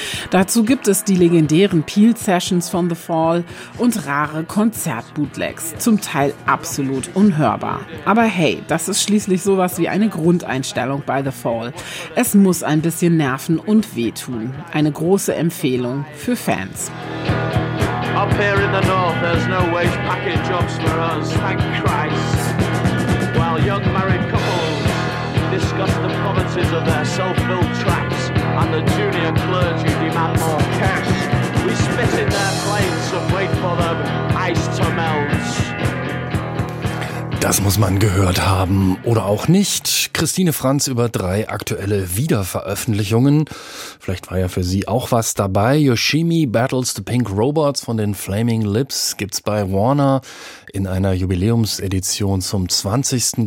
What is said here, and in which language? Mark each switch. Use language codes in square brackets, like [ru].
[de] Dazu gibt es die legendären Peel Sessions von The Fall und rare Konzertbootlegs, zum Teil absolut unhörbar. Aber hey, das ist schließlich sowas wie eine Grundeinstellung bei The Fall. Es muss ein bisschen nerven und wehtun. Eine große Empfehlung für Fans. [en] Up here in the north, there's no wage packing jobs for us, thank Christ. While young married couples discuss the provinces of their self-built tracts and the junior clergy demand more cash, we spit in their plates and wait for them ice to melt. [de] Da Das muss man gehört haben. Oder auch nicht. Christine Franz über drei aktuelle Wiederveröffentlichungen. Vielleicht war ja für sie auch was dabei. Yoshimi Battles the Pink Robots von den Flaming Lips gibt's bei Warner in einer Jubiläumsedition zum 20.